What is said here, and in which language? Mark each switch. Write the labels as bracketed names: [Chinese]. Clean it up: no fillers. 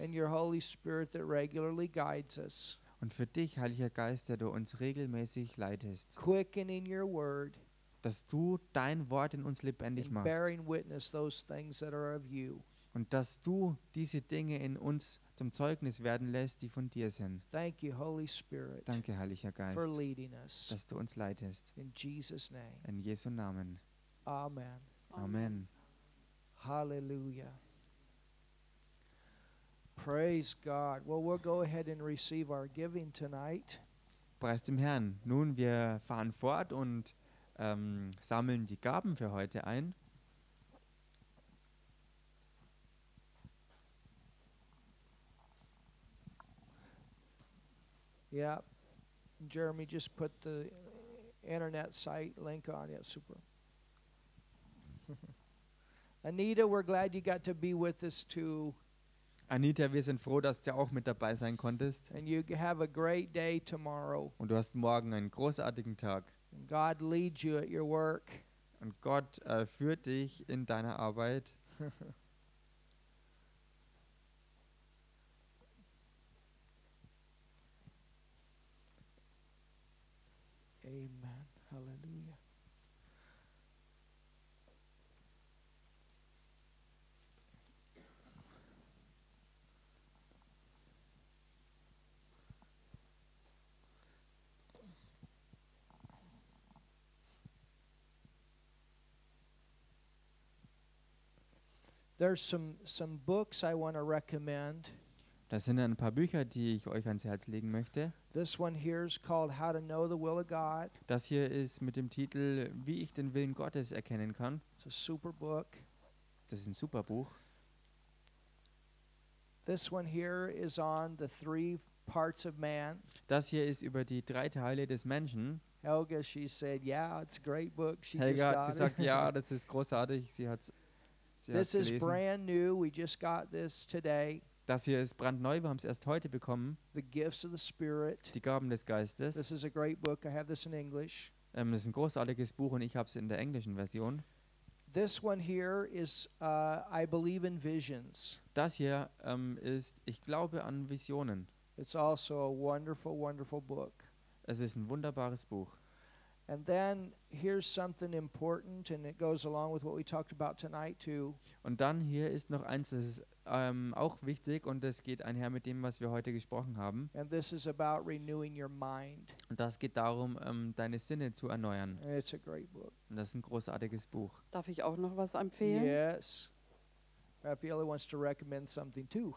[English] and your Holy Spirit that regularly guides us. [German] Und für dich, Heiliger Geist, der du uns regelmäßig leitest. [English] Quickening your word. [German] Dass du dein Wort in uns lebendig machst. [English] Bearing witness those things that are of you. [German] Und dass du diese Dinge in uns zum Zeugnis werden lässt, die von dir sind. [English] Thank you, Holy Spirit. [German] Danke, Heiliger Geist, [English] for leading us. [German] Dass du uns leitest. [English] In Jesus' name. [German] In Jesu Namen. [English] Amen. [German] Amen. Halleluja. [English] Praise God. Well, we'll go ahead and receive our giving tonight. [German] Preist dem Herrn. Nun, wir fahren fort und sammeln die Gaben für heute ein. [English] Yeah, Jeremy just put the internet site link on. Yeah, super. Anita, we're glad you got to be with us too. [German] Anita, wir sind froh, dass du auch mit dabei sein konntest. [English] And you have a great day tomorrow. [German] Und du hast morgen einen großartigen Tag. [English] And God leads you at your work. [German] Und Gott führt dich in deiner Arbeit. Amen. Halleluja. [English] There's some books I want to recommend. [German] Das sind ein paar Bücher, die ich euch ans Herz legen möchte. [English] This one here is called How to Know the Will of God. [German] Das hier ist mit dem Titel Wie ich den Willen Gottes erkennen kann. [English] It's a super book. [German] Das ist ein super Buch. [English] This one here is on the three parts of man. [German] Das hier ist über die drei Teile des Menschen. [English] Helga, she said, yeah, it's a great book. She [German] Helga [English] just got [German] hat gesagt, it. Ja, das ist großartig. Sie hat's [English] This is brand new. We just got this today. [German] Das hier ist brandneu, wir haben es erst heute bekommen. [English] The gifts of the Spirit. [German] Die Gaben des Geistes. [English] This is a great book. I have this in English. [German] Das ist ein großartiges Buch und ich habe es in der englischen Version. [English] This one here is I believe in visions. [German] Das hier ist ich glaube an Visionen. [English] It's also a wonderful, wonderful book. [German] Es ist ein wunderbares Buch. [English] And then here's something important, and it goes along with what we talked about tonight too. [German] Und dann hier ist noch eins, das ist auch wichtig und das geht einher mit dem, was wir heute gesprochen haben. [English] And this is about renewing your mind. [German] Und das geht darum, deine Sinne zu erneuern. [English] And it's a great book. [German] Und das ist ein großartiges Buch. Darf ich auch noch was empfehlen? [English] Yes. Raffaella wants to recommend something too.